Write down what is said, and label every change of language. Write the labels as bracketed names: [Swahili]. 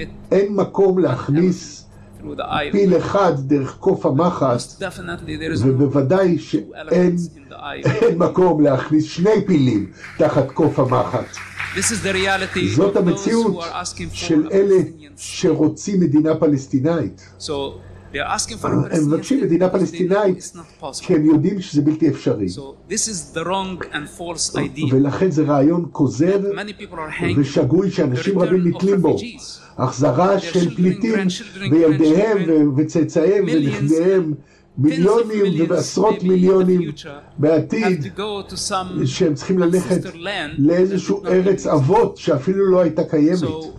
[Hebrew] אין מקום להכניס פיל אחד דרך קוף המחס, ובוודאי שאין מקום להכניס שני פילים תחת קוף המחס. זאת המציאות של אלה שרוצים מדינה פלסטינאית. [English] They're asking for a Palestinian. [Hebrew] הם מבקשים מדינה פלסטינאית, כי הם יודעים שזה בלתי אפשרי. [English] So this is the wrong and false idea. [Hebrew] ולכן זה רעיון כוזב ושגוי שאנשים רבים נתלים בו. החזרה של פליטים וילדיהם וצאצאיהם ונכדיהם, מיליונים ועשרות מיליונים בעתיד, שהם צריכים ללכת לאיזשהו ארץ אבות שאפילו לא הייתה קיימת.